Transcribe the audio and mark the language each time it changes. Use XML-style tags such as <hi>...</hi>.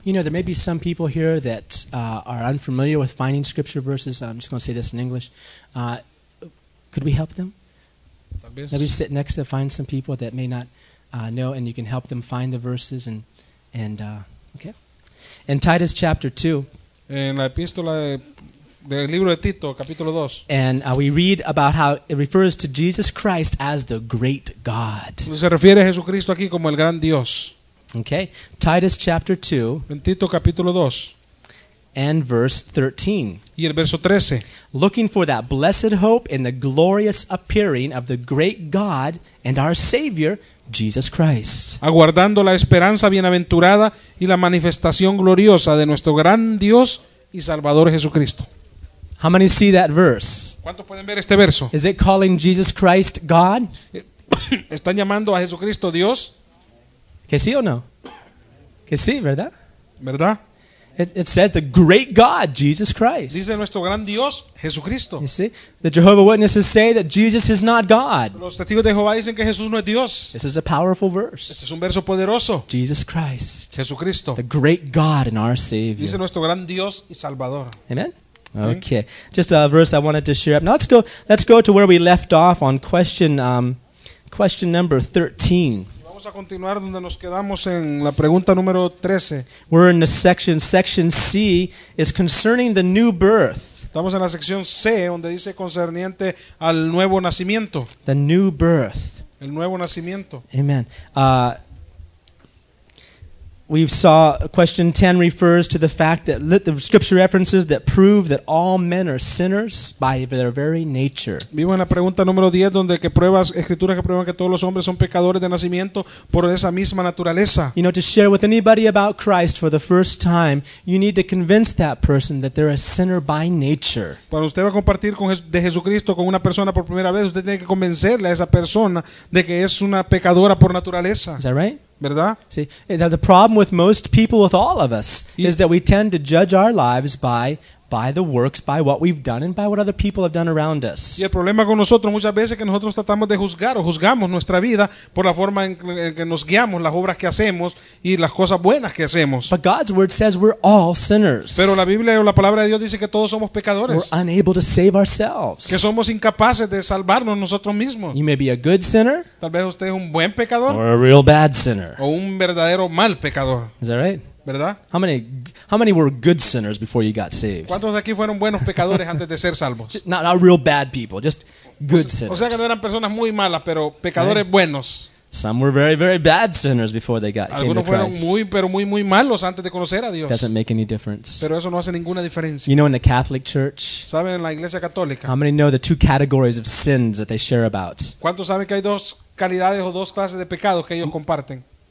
<en>You know, there may be some people here that are unfamiliar with finding scripture verses. I'm just going to say this in English. Could we help them? Maybe sit next to find some people that may not know, and you can help them find the verses. Okay. In Titus chapter 2.</en> <es>En la epístola de del libro de Tito, capítulo 2.</es> <en>And we read about how it refers to Jesus Christ as the great God.</en> <es>Se refiere a Jesucristo aquí como el gran Dios.</es> <en>Okay. Titus chapter 2.</en> <es>En Tito capítulo 2.</es> <en>And verse 13.</en> <es>Y el verso 13.</es> <en>Looking for that blessed hope in the glorious appearing of the great God and our Savior, Jesus Christ.</en> <es>Aguardando la esperanza bienaventurada y la manifestación gloriosa de nuestro gran Dios y Salvador Jesucristo.</es> <en>How many see that verse?</en> <es>¿Cuántos pueden ver este verso?</es> <en>Is it calling Jesus Christ God?</en> <es>¿Están llamando a Jesucristo Dios? ¿Que sí o no? ¿Que sí, verdad? ¿Verdad?</es> <en>It says the great God, Jesus Christ.</en> <es>Dice nuestro gran Dios, Jesucristo.</es> <en>You see? The Jehovah's Witnesses say that Jesus is not God.</en> <es>Los testigos de Jehová dicen que Jesús no es Dios.</es> <en>This is a powerful verse.</en> <es>Este es un verso poderoso.</es> <en>Jesus Christ.</en> <es>Jesucristo.</es> <en>The great God and our Savior.</en> <es>Dice nuestro gran Dios y Salvador.</es> <en>Amen. Okay, just a verse I wanted to share up. Now let's go. Let's go to where we left off on question number 13.</en> <es>Vamos a continuar donde nos quedamos en la pregunta número 13.</es> <en>We're in the section C is concerning the new birth.</en> <es>Estamos en la sección C donde dice concerniente al nuevo nacimiento.</es> <en>The new birth.</en> <es>El nuevo nacimiento.</es> <en>Amen. We saw question 10 refers to the fact that the scripture references that prove that all men are sinners by their very nature.</en> <es>Vimos en la pregunta número 10 donde que pruebas escrituras que prueban que todos los hombres son pecadores de nacimiento por esa misma naturaleza.</es> <en>You know, to share with anybody about Christ for the first time, you need to convince that person that they're a sinner by nature.</en> <es>Para usted va a compartir con de Jesucristo con una persona por primera vez, usted tiene que convencerle a esa persona de que es una pecadora por naturaleza.</es> <en>Is that right?</en> <es>¿Verdad?</es> <en>See, the problem with most people, with all of us, is that we tend to judge our lives by the works, by what we've done, and by what other people have done around us.</en> <es>Y el problema con nosotros muchas veces es que nosotros tratamos de juzgar o juzgamos nuestra vida por la forma en que nos guiamos, las obras que hacemos y las cosas buenas que hacemos.</es> <en>But God's word says we're all sinners.</en> <es>Pero la Biblia o la palabra de Dios dice que todos somos pecadores.</es> <en>We're unable to save ourselves.</en> <es>Que somos incapaces de salvarnos nosotros mismos.</es> <en>You may be a good sinner.</en> <es>Tal vez usted es un buen pecador.</es> <en>Or a real bad sinner.</en> <es>O un verdadero mal pecador.</es> <en>Is that right?</en> <es>¿Verdad?</es> <en>How many were good sinners before you got saved?</en> <es>¿Cuántos aquí fueron buenos pecadores antes de ser salvos?</es> <en>Not real bad people, just good sinners.</en> <es>O sea que no eran personas muy malas, pero pecadores buenos.</es> <en>Some were very, very bad sinners before they came to Christ.</en> <es>Algunos fueron muy, pero muy, muy malos antes de conocer a Dios.</es> <en>Doesn't make any difference.</en> <es>Pero eso no hace ninguna diferencia.</es> <en>You know, in the Catholic Church,</en> <es>¿saben en la Iglesia Católica?</es> <en>How many know the two categories of sins that they share about?</en> <es>¿Cuántos saben que hay dos calidades o dos clases de pecados que ellos comparten?</es>